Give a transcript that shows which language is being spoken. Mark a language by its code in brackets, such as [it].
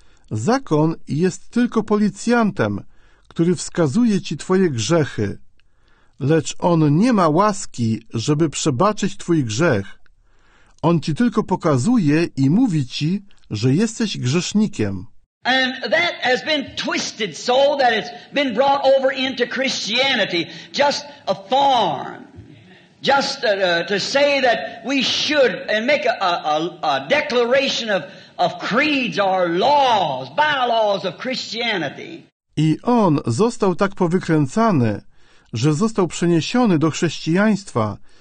[pl] Zakon jest tylko policjantem, który wskazuje ci twoje grzechy. Lecz on nie ma łaski, żeby przebaczyć twój grzech. On ci tylko pokazuje i mówi ci, że jesteś grzesznikiem. [en] And that has been twisted so that it's been brought over into Christianity, just a form. Just to say that we should and make a declaration of creeds or laws, bylaws of Christianity. [pl] I on został tak powykręcany, że został przeniesiony do chrześcijaństwa.